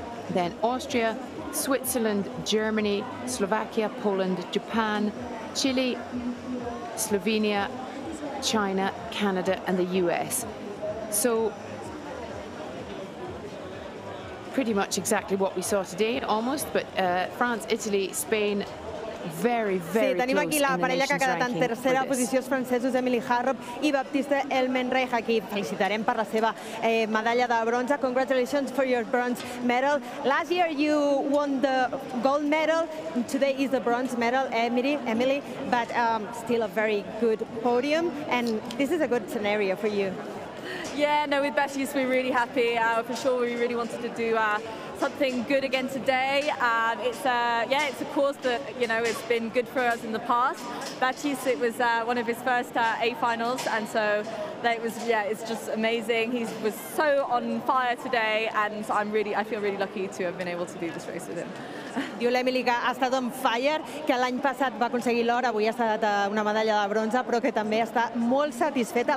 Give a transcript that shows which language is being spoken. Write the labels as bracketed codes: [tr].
[en] Then Austria, Switzerland, Germany, Slovakia, Poland, Japan, Chile, Slovenia, China, Canada, and the US. So pretty much exactly what we saw today, almost, but France, Italy, Spain, very, very [ca] sí, tenim aquí la parella que ha quedat en tercera posició, els francesos Emily Harrop I Baptiste Elmenreich. Aquí felicitarem per la seva medalla de bronze. [en] Congratulations for your bronze medal. Last year you won the gold medal. Today is the bronze medal, Emily, but still a very good podium. And this is a good scenario for you. Yeah, no, with Baptiste we're really happy. For sure we really wanted to do something good again today. It's a course that, you know, it's been good for us in the past. Baptiste, it was one of his first A finals, and so that was, yeah, it's just amazing. He was so on fire today, and I feel really lucky to have been able to do this race with him. [ca] Diu l'Emily que ha estat [en] on fire, [ca] que l'any passat va aconseguir l'or, avui ha estat una medalla de bronze, però que també està molt satisfeta.